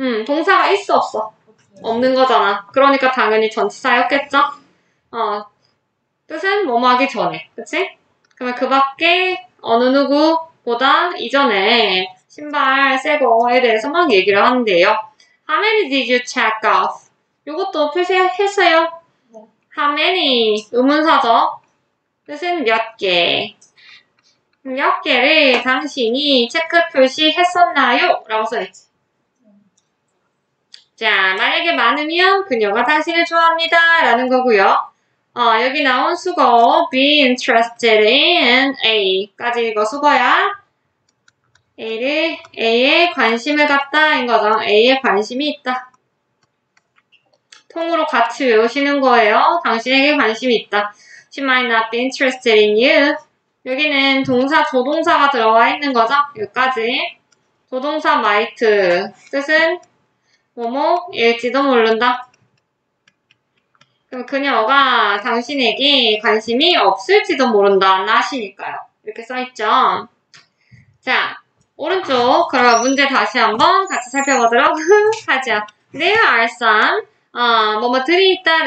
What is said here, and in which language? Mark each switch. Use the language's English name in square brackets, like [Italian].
[Korean] 동사가 있어? 없어? 없는 거잖아. 그러니까 당연히 전치사였겠죠? 뜻은 뭐뭐 하기 전에. 그치? 그러면 그 밖에 어느 누구보다 이전에 신발 새 거에 대해서 막 얘기를 한대요. [English] How many did you check off? [Korean] 이것도 표시했어요. [English] How many? [Korean] 의문사죠? 뜻은 몇 개? 몇 개를 당신이 체크 표시했었나요? 라고 써있지. 자, 만약에 많으면 그녀가 당신을 좋아합니다. 라는 거고요. 여기 나온 수거, [English] be interested in A [Korean] 까지 이거 수거야. A에 관심을 갖다. 인 거죠. A에 관심이 있다. 통으로 같이 외우시는 거예요. 당신에게 관심이 있다. [English] She might not be interested in you. [Korean] 여기는 동사, 조동사가 들어와 있는 거죠? 여기까지. 조동사 might. 뜻은 뭐뭐일지도 모른다. 그럼 그녀가 당신에게 관심이 없을지도 모른다. 나시니까요. 이렇게 써있죠? 자, 오른쪽. 그럼 문제 다시 한번 같이 살펴보도록 하죠. [English] There are some, [Korean] 뭐뭐들이 있다.